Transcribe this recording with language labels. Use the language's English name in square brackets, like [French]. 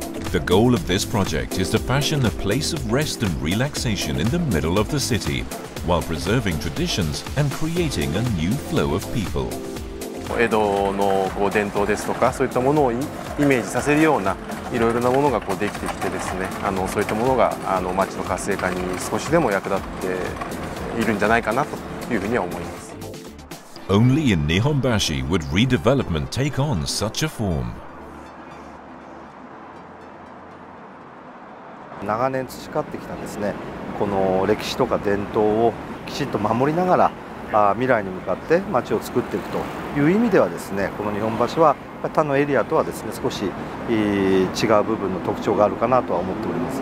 [English] The goal of this project is to fashion a place of rest and relaxation in the middle of the city, while preserving traditions and creating a new flow of people. [Japanese] 江戸のこう伝統ですとかそういったものをイメージさせるようないろいろなものがこうできてきてですね、あのそういったものがあの町の活性化に少しでも役立っているんじゃないかなというふうには思います。 [English] Only in Nihonbashi would redevelopment take on such a form. [Japanese] 長年培ってきたですね、この歴史とか伝統をきちんと守りながら、未来に向かって街を作っていくという意味ではですね、この Nihonbashi は他のエリアとはですね、少し違う部分の特徴があるかなとは思っております。